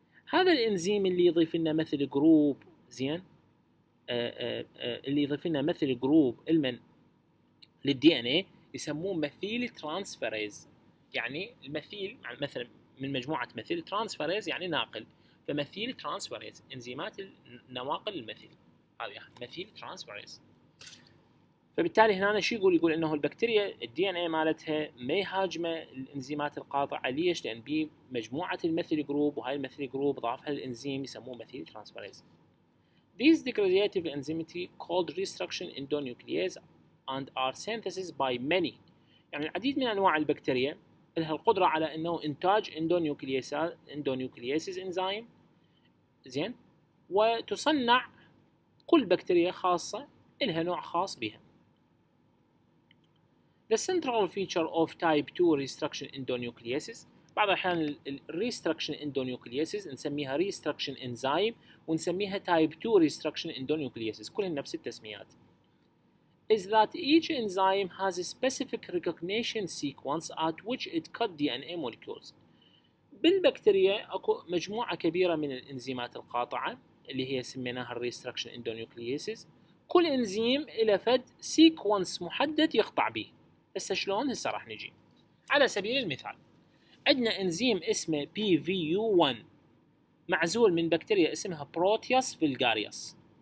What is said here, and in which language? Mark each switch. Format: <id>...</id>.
<ar>هذا الانزيم اللي يضيف لنا ميثيل جروب زين اللي يضيف لنا ميثيل جروب المن للدي ان اي يسموه ميثيل ترانسفيريز، يعني الميثيل مثلا من مجموعه ميثيل، ترانسفيريز يعني ناقل، فميثيل ترانسفيريز انزيمات النواقل الميثيل هذه ميثيل ترانسفيريز. فبالتالي هنا شو يقول؟ يقول انه البكتيريا الدي ان اي مالتها ما يهاجمه الانزيمات القاطعه. ليش؟ لان بي مجموعه الميثيل جروب وهاي الميثيل جروب ضافها الانزيم يسموه ميثيل ترانسفيريز.</ar> <en>These degradative enzymes called restriction endonuclease and are synthesized by many.</en> <ar>يعني العديد من انواع البكتيريا لها القدره على انه انتاج endonuclease enzyme زين وتصنع كل بكتيريا خاصه لها نوع خاص بها.</ar> <en>The central feature of type 2 restriction endonucleases</en> <ar>بعض الأحيان الريستركشن إندونيوكلييسز نسميها ريستركشن إنزيم ونسميها تايب 2 ريستركشن إندونيوكلييسز كلهم نفس التسميات.</ar> <en>Is that each enzyme has a specific recognition sequence at which it cut DNA molecules.</en> <ar>بالبكتيريا أكو مجموعة كبيرة من الإنزيمات القاطعة اللي هي سميناها الريستركشن إندونيوكلييسز كل انزيم له فد سيكونس محدد يقطع به. هسه شلون؟ هسه راح نجي. على سبيل المثال عندنا انزيم اسمه PVU1 معزول من بكتيريا اسمها بروتياس فيلغاريوس.</ar>